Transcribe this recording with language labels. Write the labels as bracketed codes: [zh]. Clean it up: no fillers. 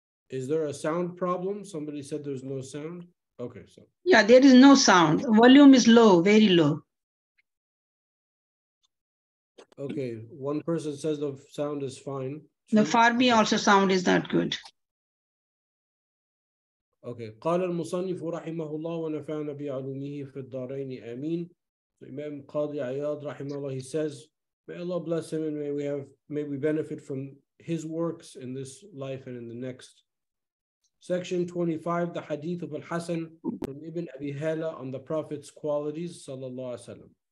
[en] Is there a sound problem? Somebody said there's no sound. Okay, so. Yeah, there is no sound. Volume is low, very low. Okay, one person says the sound is fine. The Farbi also sound is not good. Okay. [ar] قال المصنف رحمه الله ونفعنا بعلومه في الدارين آمين. [en] So Imam Qadi Iyad رحمه الله, he says, may Allah bless him and may we benefit from his works in this life and in the next. Section 25, the hadith of Al-Hasan from Ibn Abi Hala on the Prophet's qualities, sallallahu alayhi wa sallam.